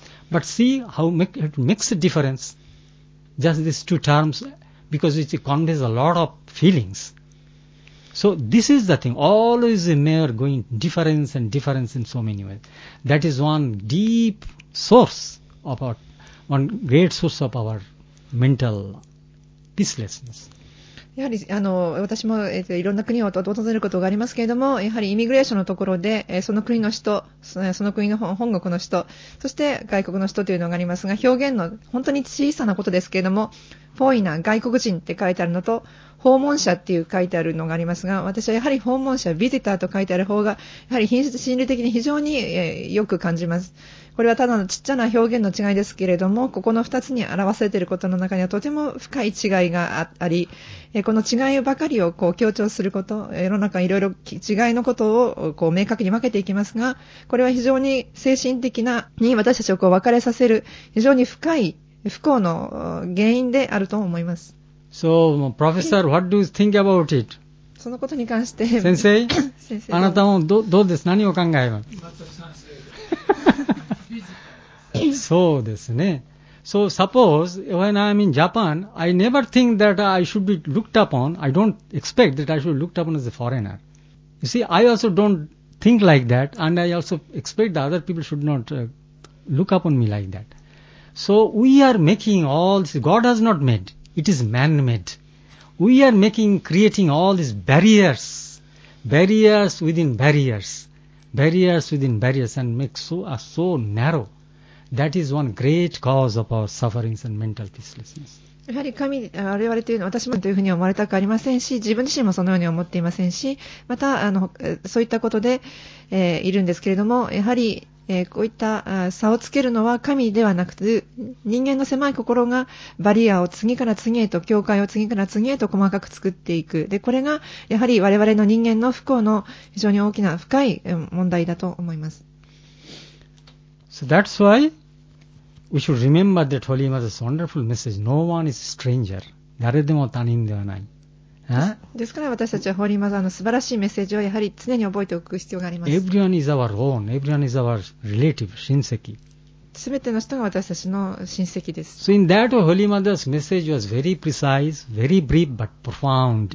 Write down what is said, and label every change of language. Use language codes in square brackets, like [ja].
[en] But see how it makes a difference, just these two terms, because it conveys a lot of feelings. So this is the thing, always a mere going difference and difference in so many ways. That is one deep source of our, one great source of our mental peacelessness. [ja] やはり私も、いろんな国を訪れることがありますけれども、やはりイミグレーションのところで、その国の人、その国の本国の人、そして外国の人というのがありますが、表現の本当に小さなことですけれども、フォーイナー、外国人って書いてあるのと、訪問者っていう書いてあるのがありますが、私はやはり訪問者、ビジターと書いてある方がやはり心理的に非常に、よく感じます。これはただのちっちゃな表現の違いですけれども、ここの2つに表されていることの中にはとても深い違いがあり、この違いばかりをこう強調すること、世の中いろいろ違いのことをこう明確に分けていきますが、これは非常に精神的なに私たちをこう別れさせる非常に深い不幸の原因であると思います。 [en] So, Professor, what do you think about it? [ja] そのことに関して先生、あなたも どうです、何を考えます。全く賛成そうですね。 [en] So suppose when I am in Japan, I never think that I should be looked upon. I don't expect that I should be looked upon as a foreigner. You see, I also don't think like that, and I also expect the other people should not look upon me like that. So we are making all this. God has not made. It is man-made. We are making, creating all these barriers, barriers within barriers, barriers within barriers, and make so narrow.That is one great cause of our sufferings and mental peacelessness. [ja] やはり神、我々というのは私もというふうに思われたくありませんし、自分自身もそのように思っていませんし、またそういったことで、いるんですけれども、やはり、こういった差をつけるのは神ではなくて、人間の狭い心がバリアを次から次へと、境界を次から次へと細かく作っていく。で、これがやはり我々の人間の不幸の非常に大きな深い問題だと思います。 [en] So that's why we should remember that Holy Mother's wonderful message. No one is stranger. [ja] 誰でも他人ではない。ですから私たちはホーリーマザーの素晴らしいメッセージをやはり常に覚えておく必要があります。 [en] Everyone is our own. Everyone is our relative. 親戚。 [ja] すべての人が私たちの親戚です。 [en] So in that way, Holy Mother's message was very precise, very brief but profound.